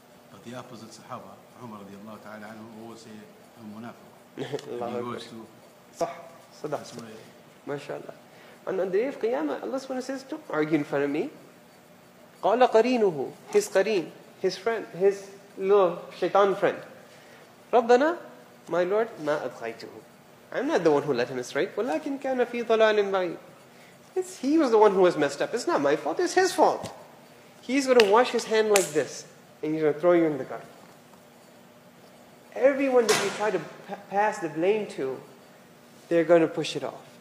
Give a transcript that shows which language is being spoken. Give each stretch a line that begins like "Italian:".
English: But the opposite sahaba, Umar radiallahu ta'ala anhu, always say, I'm munafiq. And he goes to...
Arabic: صح صدق ما شاء الله.
English: And on the day of Qiyamah, Allah subhanahu wa ta'ala says, don't argue in front of me.
Arabic: قَالَ قَرِينُهُ.
English: His qareen, his friend, his little shaitan friend.
Arabic: رَبَّنَا,
English: my Lord,
Arabic: مَا أَبْغَيْتُهُ.
English: I'm not the one who let him astray.
Arabic: وَلَكِنْ كَانَ فِي ضَلَالٍ بَعِيدٍ.
English: It's, he was the one who was messed up. It's not my fault, it's his fault. He's going to wash his hand like this and he's going to throw you in the gutter. Everyone that you try to pass the blame to, they're going to push it off.